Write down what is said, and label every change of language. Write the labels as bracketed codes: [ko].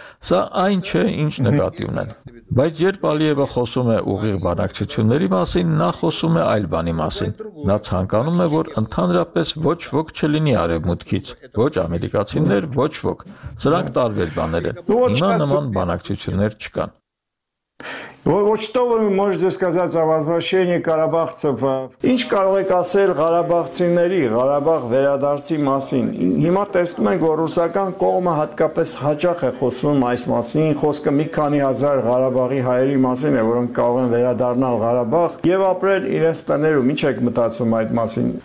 [hy] Սա այն չէ, ինչ նկատի ունեն։ Բայց երբ Ալիևը խոսում է ուղիղ բանակցությունների մասին, նա խոսում է այլ բանի մասին։ Նա ցանկանում է, որ ընդհանրապես ոչ ոք չլինի արևմուտքից, ոչ ամերիկացիներ, ոչ ոք։ Սրանք տարբեր բաներ են, հիմա նման բանակցություններ չկան։ [ru] Вот что вы можете сказать о возвращении карабахцев? [hy] Ինչ կարող եք ասել Ղարաբաղցիների, Ղարաբաղ վերադարձի մասին? Հիմա տեսնում ենք, որ ռուսական կողմը հատկապես հաճախ է խոսում այս մասին, խոսքը մի քանի հազար Ղարաբաղի հայերի մասին է, որոնք կարող են վերադառնալ Ղարաբաղ եւ ապրել իրենց տներում։ Ինչ եք մտածում այդ մասին?